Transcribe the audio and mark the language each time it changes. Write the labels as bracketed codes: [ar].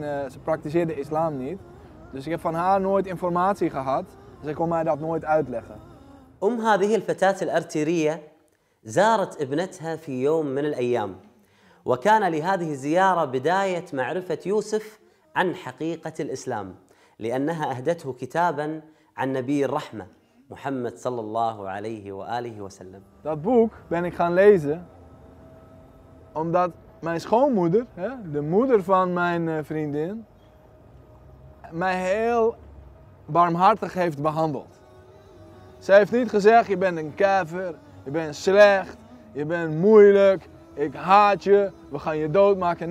[nl] Ze praktiseerde islam niet. Dus ik heb van haar nooit informatie gehad. Zij kon mij dat nooit uitleggen. [ar] Om هذه الفتاة الأرتيرية زارت ابنتها في يوم من الأيام. وكان لهذه الزيارة بداية معرفة يوسف عن حقيقة الإسلام، لأنها أهدته كتابا عن نبي الرحمة محمد صلى الله عليه وآله وسلم. [nl] Dat boek ben ik gaan lezen omdat mijn schoonmoeder, hè, de moeder van mijn vriendin, mij heel barmhartig heeft behandeld. Zij heeft niet gezegd, je bent een kever, je bent slecht, je bent moeilijk, ik haat je, we gaan je doodmaken.